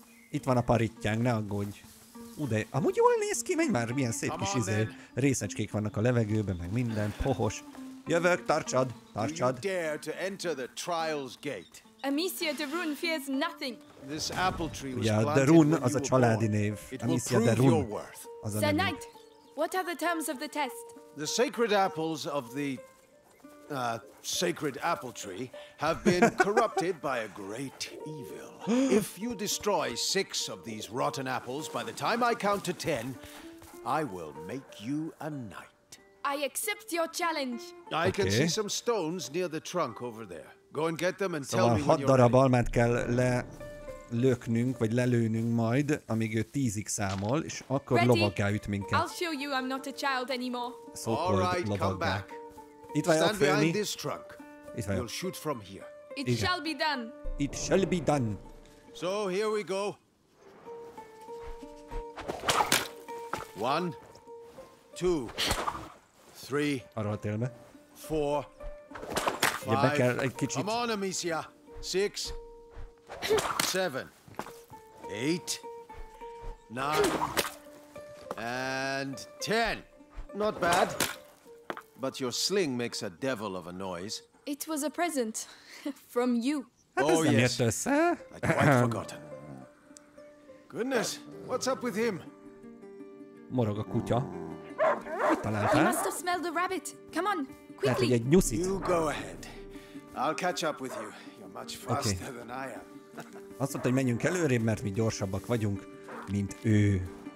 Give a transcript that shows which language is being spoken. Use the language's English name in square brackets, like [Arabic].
[Hungarian] Itt van a parittyánk, ne aggódj. De amúgy jól néz ki, menj már, milyen szép kis izé. Részecskék vannak a levegőben, meg minden, pohos. Jövök, tartsad, tartsad. [English] Do you dare to enter the trials gate? Amicia de Rune fears nothing. This apple tree was planted when you were born. [Hungarian] Az a családi név. Amicia de Rune. Az a [English] Sir Knight, what are the terms of the test? The sacred apples of the sacred apple tree have been corrupted by a great evil. If you destroy 6 of these rotten apples by the time I count to 10, I will make you a knight. I accept your challenge. I can see some stones near the trunk over there. Go and get them and tell me when you're ready. [Hungarian] 6 darab almát kell lelöknünk, vagy lelőnünk majd, amíg ő 10-ig számol, és akkor lovaggá üt minket. [English] I'll show you I'm not a child anymore. All right, come back. [Hungarian] Itt vagyok félni. Itt vagyok. [English] You'll shoot from here. It [Hungarian] Igen. [English] shall be done. It shall be done. So here we go. One, two, three. [Hungarian] Arra a télme. [English] Four, five. [Hungarian] Ugye be kell egy kicsit. [English] Come on, Amicia. Six, seven, eight, nine, and ten. Not bad. But your sling makes a devil of a noise. It was a present from you. Oh yes, I'd quite forgotten. Goodness, what's up with him? [Hungarian] Morog a kutya. Mit találtál? [English] He must have smelled the rabbit. Come on, quickly. [Hungarian] Lehet, hogy egy nyuszit. [English] You go ahead. I'll catch up with you. You're much faster than I am. [Hungarian] Azt mondta, hogy menjünk előrébb, mert mi gyorsabbak vagyunk, mint ő.